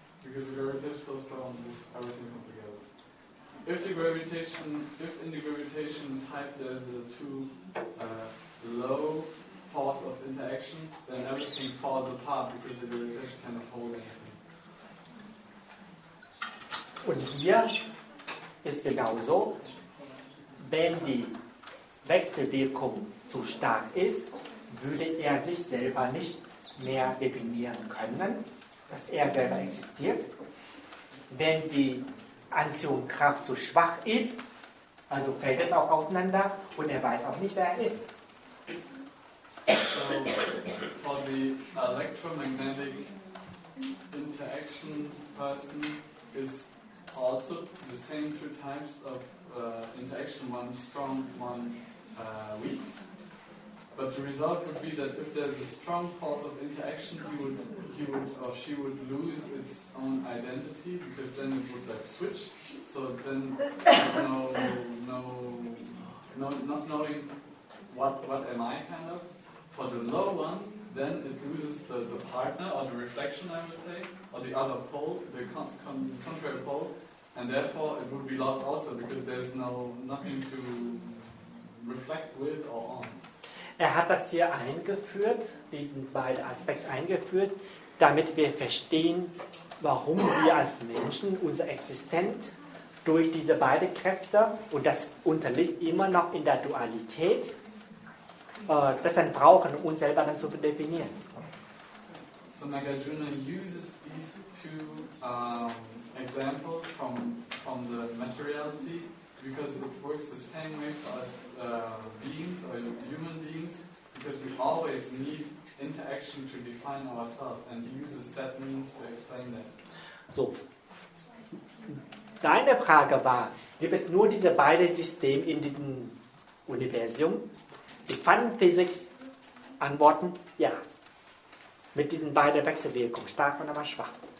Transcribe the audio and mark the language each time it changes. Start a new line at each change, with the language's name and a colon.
English: Because the gravitation is so strong, everything comes together. If in the gravitation type there's a too low force of interaction, then everything falls apart because the gravitation cannot hold anything.
German: Und hier ist genauso, wenn die Wechselwirkung zu stark ist, würde er sich selber nicht mehr definieren können, dass er selber existiert. Wenn die Anziehungskraft zu schwach ist, also fällt es auch auseinander und er weiß auch nicht, wer er ist.
English: So, for the electromagnetic interaction person is also the same two types of interaction, one strong, one weak. But the result could be that if there's a strong force of interaction, he would or she would lose its own identity because then it would like switch. So then not knowing what am I kind of. For the low one, then it loses the partner or the reflection, I would say, or the other pole, the contrary pole, and therefore it would be lost also because there's nothing to reflect with or on.
German: Er hat das hier eingeführt, diesen beiden Aspekt eingeführt, damit wir verstehen, warum wir als Menschen unser Existenz durch diese beiden Kräfte, und das unterliegt immer noch in der Dualität, das dann brauchen, um uns selber dann zu definieren.
English: So Nagarjuna uses these two examples from the materiality. Because it works the same way for us beings or human beings, because we always need interaction to define ourselves, and uses that means to explain that.
German: So, deine Frage war: Gibt es nur diese beiden Systeme in diesem Universum? Die Quantenphysik antworten: Ja. mit diesen beiden Wechselwirkungen, stark und aber schwach.